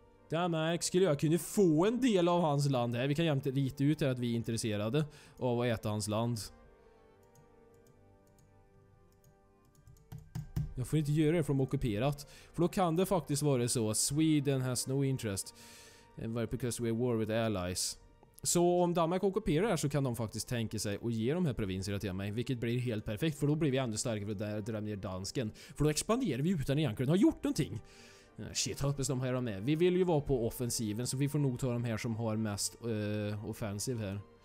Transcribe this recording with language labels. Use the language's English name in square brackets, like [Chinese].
[Swedish] Danmark, skulle jag kunna få en del av hans land här. Vi kan jämt rita ut här att vi är intresserade av att äta hans land. Jag får inte göra det för de ockuperat. För då kan det faktiskt vara så. [English] Sweden has no interest. Because we're war with allies. [Swedish] Så om Danmark ockuperar här så kan de faktiskt tänka sig att ge de här provinserna till mig. Vilket blir helt perfekt, för då blir vi ännu starkare för att dra ner dansken. För då expanderar vi utan egentligen har gjort någonting. Shit, hoppas de här är med. Vi vill ju vara på offensiven så vi får nog ta de här som har mest offensiv här.